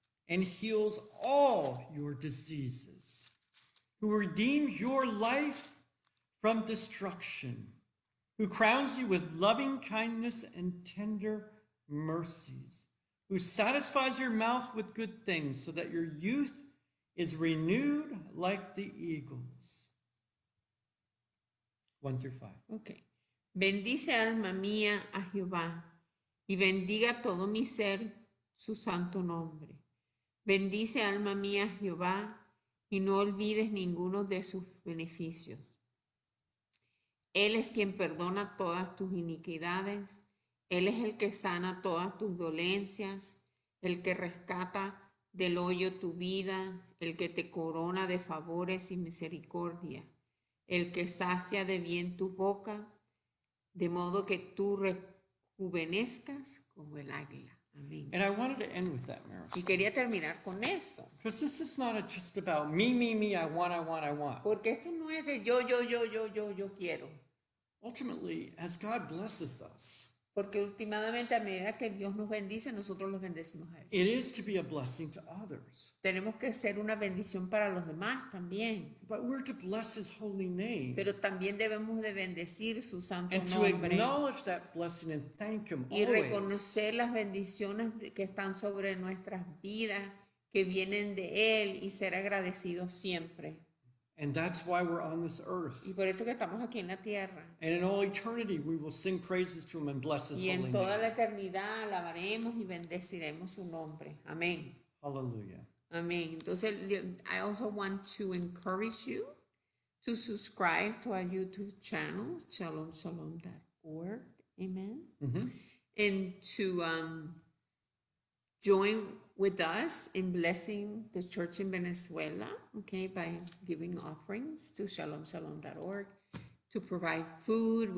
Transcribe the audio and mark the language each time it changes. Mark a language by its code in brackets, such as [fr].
[en] and heals all your diseases, who redeems your life from destruction, who crowns you with loving kindness and tender mercies, who satisfies your mouth with good things so that your youth is renewed like the eagles. 1-5. Okay. [es] Bendice alma mía a Jehová y bendiga todo mi ser su santo nombre. Bendice alma mía a Jehová y no olvides ninguno de sus beneficios. Él es quien perdona todas tus iniquidades. Él es el que sana todas tus dolencias, el que rescata del hoyo tu vida, el que te corona de favores y misericordia, el que sacia de bien tu boca, de modo que tú rejuvenezcas como el águila. Amén. [en] And I wanted to end with that, Marisol. [es] Y quería terminar con eso. [en] Because this is not just about me, me, me, I want, I want, I want. [es] Porque esto no es de yo quiero. [en] Ultimately, as God blesses us, [es] porque últimamente a medida que Dios nos bendice, nosotros los bendecimos a Él. [en] It is to be a blessing to others. [es] Tenemos que ser una bendición para los demás también. [en] But we're to bless His holy name. [es] Pero también debemos de bendecir su santo [en] and [es] nombre. [en] To acknowledge that blessing and thank Him [es] y reconocer [en] always. [es] Las bendiciones que están sobre nuestras vidas, que vienen de Él, y ser agradecidos siempre. [en] And that's why we're on this earth. [es] Y por eso que estamos aquí en la tierra. [en] And in all eternity, we will sing praises to Him and bless His holy name. [es] Y en toda la eternidad alabaremos y bendeciremos su nombre. Amén. [en] Hallelujah. [es] Amén. Entonces, [en] I also want to encourage you to subscribe to our YouTube channel, shalomshalom.org. Amen. Mm-hmm. And to join with us in blessing the church in Venezuela, okay, by giving offerings to shalomshalom.org to provide food.